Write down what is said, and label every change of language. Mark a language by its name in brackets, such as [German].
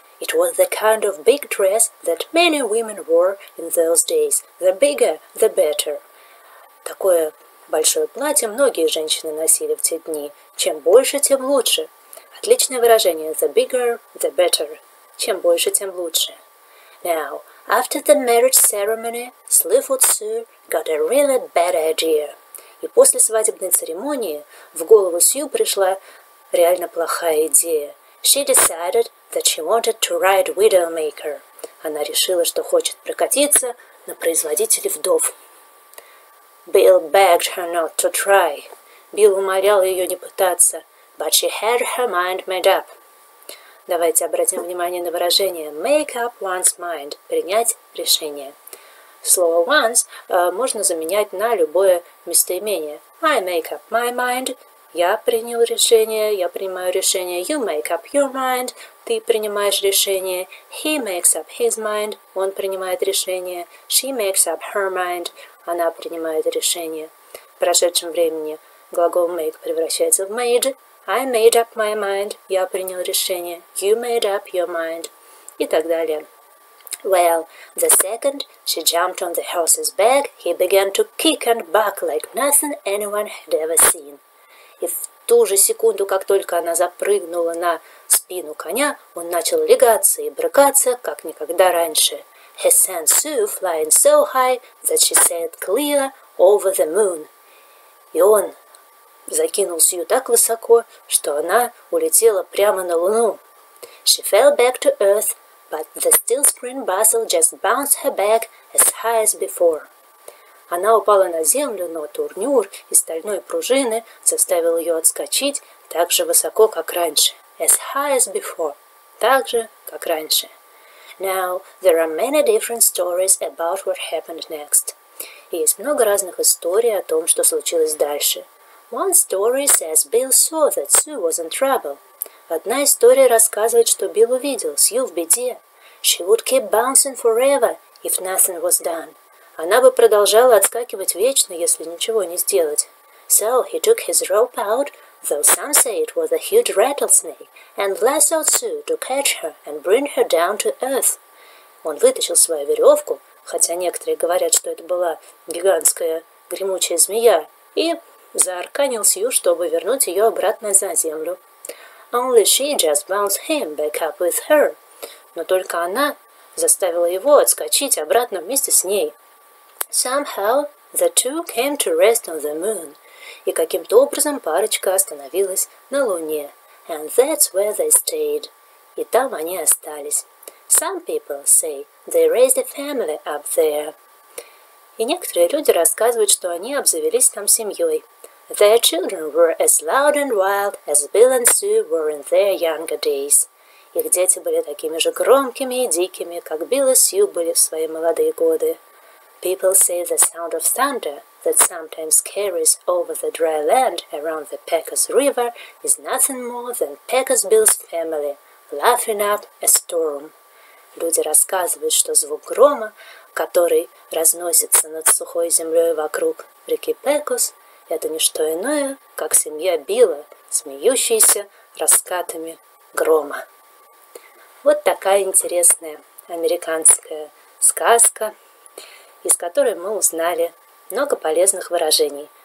[English] It was the kind of big dress that many women wore in those days. The bigger, the better. [Russian] Такое большое платье многие женщины носили в те дни. Чем больше, тем лучше. Отличное выражение. [English] The bigger, the better. [Russian] Чем больше, тем лучше. [English] Now, after the marriage ceremony, Slue-foot Sue got a really bad idea. [Russian] И после свадебной церемонии в голову Сью пришла реально плохая идея. [English] She decided that she wanted to ride Widow Maker. [Russian] Она решила, что хочет прокатиться на производителе вдов. [English] Bill begged her not to try. [Russian] Билл умолял ее не пытаться. [English] But she had her mind made up. [Russian] Давайте обратим внимание на выражение [English] make up one's mind. [Russian] Принять решение. Слово once можно заменять на любое местоимение. [English] I make up my mind. [Russian] Я принял решение, я принимаю решение. [English] You make up your mind. [Russian] Ты принимаешь решение. [English] He makes up his mind. [Russian] Он принимает решение. [English] She makes up her mind. [Russian] Она принимает решение. В прошедшем времени глагол make превращается в made. [English] I made up my mind. [Russian] Я принял решение. [English] You made up your mind. [Russian] И так далее. [English] Well, the second she jumped on the horse's back, he began to kick and buck like nothing anyone had ever seen. [Russian] И в ту же секунду, как только она запрыгнула на спину коня, он начал легаться и брыкаться, как никогда раньше. [English] He sent Sue flying so high that she sailed clear over the moon. [Russian] И он закинул Сью так высоко, что она улетела прямо на Луну. [English] She fell back to earth, but the steel spring bustle just bounced her back as high as before. [Russian] Она упала на землю, но турнюр из стальной пружины заставил ее отскочить так же высоко, как раньше. [English] As high as before. [Russian] Так же, как раньше. [English] Now, there are many different stories about what happened next. [Russian] Есть много разных историй о том, что случилось дальше. [English] One story says Bill saw that Sue was in trouble. [Russian] Одна история рассказывает, что Билл увидел Сью в беде. [English] She would keep bouncing forever if nothing was done. [Russian] Она бы продолжала отскакивать вечно, если ничего не сделать. [English] So he took his rope out, though some say it was a huge rattlesnake, and lassoed Sue to catch her and bring her down to earth. [Russian] Он вытащил свою веревку, хотя некоторые говорят, что это была гигантская гремучая змея, и заарканил Сью, чтобы вернуть ее обратно на землю. [English] Only she just bounced him back up with her. [Russian] Но только она заставила его отскочить обратно вместе с ней. [English] Somehow the two came to rest on the moon. [Russian] И каким-то образом парочка остановилась на Луне. [English] And that's where they stayed. [Russian] И там они остались. [English] Some people say they raised a family up there. [Russian] И некоторые люди рассказывают, что они обзавелись там семьей. [English] Their children were as loud and wild as Bill and Sue were in their younger days. [Russian] Их дети были такими же громкими и дикими, как Билл и Сью были в свои молодые годы. [English] People say the sound of thunder that sometimes carries over the dry land around the Pecos River is nothing more than Pecos Bill's family laughing up a storm. [Russian] Люди рассказывают, что звук грома, который разносится над сухой землей вокруг реки Пекос, это не что иное, как семья Билла, смеющаяся раскатами грома. Вот такая интересная американская сказка, из которой мы узнали много полезных выражений.